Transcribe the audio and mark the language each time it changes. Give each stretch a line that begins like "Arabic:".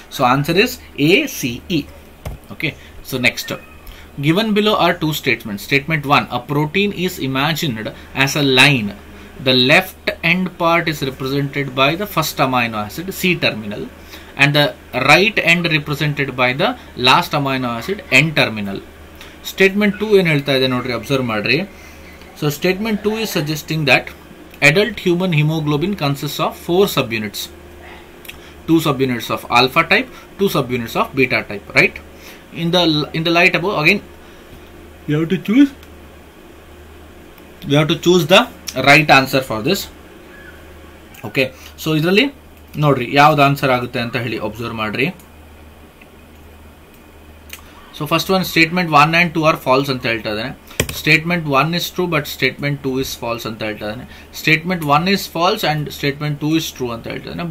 English: So answer is A C E. Okay, so next given below are two statement. Statement one, a protein is imagined as a line, the left end part is represented by the first amino acid C terminal and the right end represented by the last amino acid N terminal.
Kannada: Statement 2 en helta ide nodri, observe madri.
English: So statement 2 is suggesting that adult human hemoglobin consists of four subunits, two subunits of alpha type, two subunits of beta type, right? In the light above, again you have to choose the right answer for this.
Kannada: Okay, so idralli ನೋಡ್ರಿ ಯಾವ್ದು answer ಆಗುತ್ತೆ ಅಂತ ಹೇಳಿ observe ಮಾಡ್ರಿ.
English: so first one, statement one and two are false
Kannada: ಅಂತ ಹೇಳ್ತಾ ಇದ್ದಾನೆ.
English: Statement one is true but statement two is false ಅಂತ ಹೇಳ್ತಾ ಇದ್ದಾನೆ. Statement one is false and statement two is true
Kannada: ಅಂತ ಹೇಳ್ತಾ ಇದ್ದಾನೆ.